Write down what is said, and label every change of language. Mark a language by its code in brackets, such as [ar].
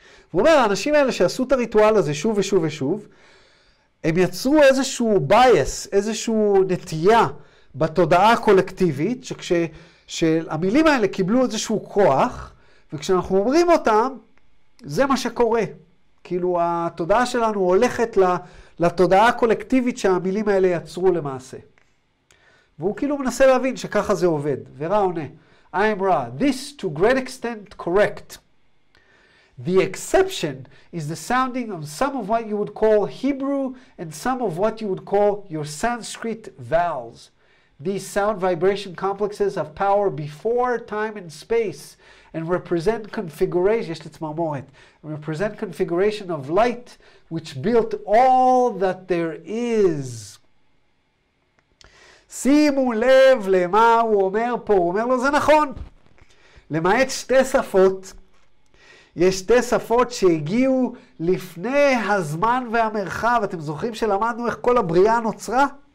[he] והוא אומר, האנשים האלה שעשו את הריטואל הזה שוב ושוב ושוב, הם יצרו איזשהו בייס, איזשהו נטייה בתודעה הקולקטיבית, שהמילים האלה קיבלו איזשהו כוח, וכשאנחנו אומרים אותם, זה מה שקורה. כאילו, התודעה שלנו הולכת לתודעה הקולקטיבית שהמילים האלה יצרו למעשה. והוא כאילו מנסה להבין שככה זה עובד. ורע עונה, [en] I am Ra, this to great extent correct. The exception is the sounding of some of what you would call Hebrew and some of what you would call your Sanskrit vowels. These sound vibration complexes have power before time and space and represent configuration, [he] יש לצמרמורת, [en] represent configuration of light which built all that there is. [he] שימו לב למה הוא אומר פה, הוא אומר לו זה נכון. למעט שתי שפות, יש שתי שפות שהגיעו לפני הזמן והמרחב, אתם זוכרים שלמדנו איך כל הבריאה נוצרה?